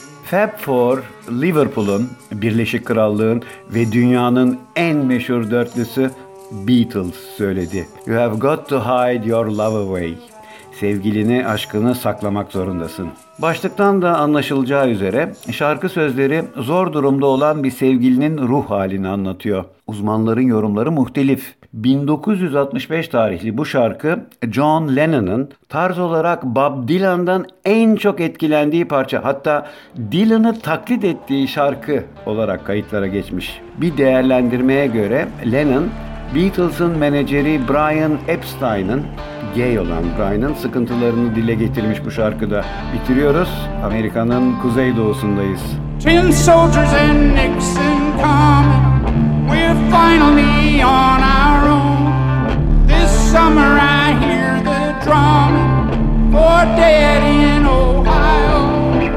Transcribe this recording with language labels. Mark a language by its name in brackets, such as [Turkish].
[Turkish] Fab Four, Liverpool'un, Birleşik Krallığın ve dünyanın en meşhur dörtlüsü Beatles söyledi. [English] You have got to hide your love away. [Turkish] Sevgilini, aşkını saklamak zorundasın. Başlıktan da anlaşılacağı üzere şarkı sözleri zor durumda olan bir sevgilinin ruh halini anlatıyor. Uzmanların yorumları muhtelif. 1965 tarihli bu şarkı John Lennon'ın tarz olarak Bob Dylan'dan en çok etkilendiği parça, hatta Dylan'ı taklit ettiği şarkı olarak kayıtlara geçmiş. Bir değerlendirmeye göre Lennon, Beatles'ın menajeri Brian Epstein'ın, gay olan Brian'ın sıkıntılarını dile getirmiş bu şarkıda. Bitiriyoruz. Amerika'nın kuzeydoğusundayız. [English] Tin soldiers and Nixon coming. We're finally on our own. This summer I hear the drumming for daddy in Ohio.